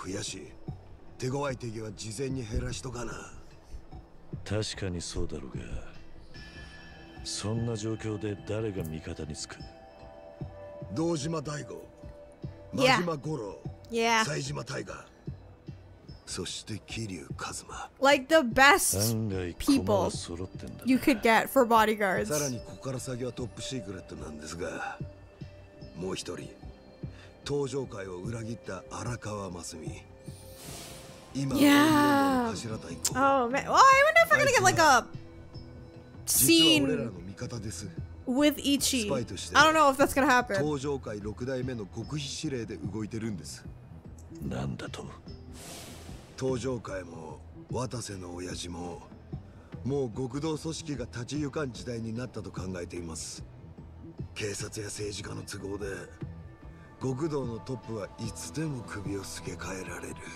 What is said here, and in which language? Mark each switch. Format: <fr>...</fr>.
<ja>せやなかったら、いくら解散やわめえたとこで誰も聞かん。ほな、こっちはこっちでやりますわって、他の親分衆に言われてしまいや。目的は分裂やない。あくまでも解散なんです。一理あるな。せやから解散するその場には、前もって味方になってくれるもんを増やし、手強い敵は事前に減らしとかな。確かにそうだろうが、そんな状況で誰が味方につく。堂島大吾、真島五郎、西島大我、そして桐生一馬。</ja> <en>Like the best people you could get for bodyguards.</en> <ja>さらにここから先はトップシークレットなんですが、もう一人、東条会を裏切った荒川真澄。</ja> <en>Yeah. Oh man. Well, I wonder if we're gonna get like a scene with Ichi. I don't know if that's gonna happen.</en> <ja>東条会六代目の極秘指令で動いてるんです。なんだと。東条会も渡瀬の親父ももう極道組織が立ち行かん時代になったと考えています。警察や政治家の都合で極道のトップはいつでも首をすげ替えられる。</ja>